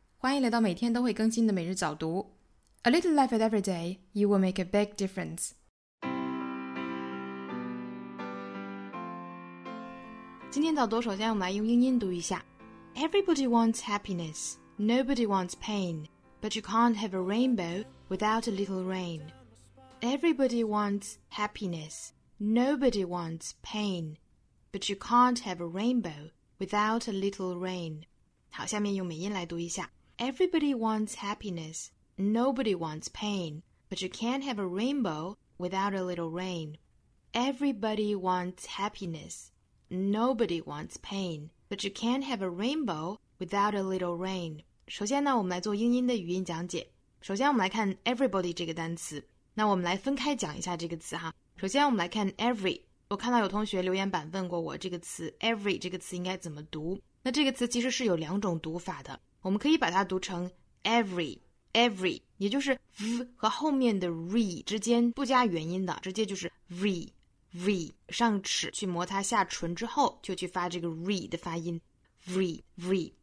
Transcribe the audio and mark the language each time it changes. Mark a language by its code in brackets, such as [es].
[zh] 欢迎来到每天都会更新的每日早读。 [en] A little life at every day, you will make a big difference. [zh] 今天早读首先我们来用英音读一下。 [en] Everybody wants happiness, nobody wants pain, but you can't have a rainbow without a little rain. Everybody wants happiness, nobody wants pain, but you can't have a rainbow without a little rain. [zh] 好，下面用美音来读一下。 Everybody wants happiness, nobody wants pain, but you can't have a rainbow without a little rain. Everybody wants happiness, nobody wants pain, but you can't have a rainbow without a little rain. 首先呢，我们来做英音的语音讲解。首先我们来看 everybody 这个单词。那我们来分开讲一下这个词哈。首先我们来看 every。我看到有同学留言板问过我这个词 every 这个词应该怎么读。那这个词其实是有两种读法的，我们可以把它读成 every， 也就是 v 和后面的 re 之间不加元音的，直接就是 v 上齿去摩擦下唇之后就去发这个 re 的发音 v。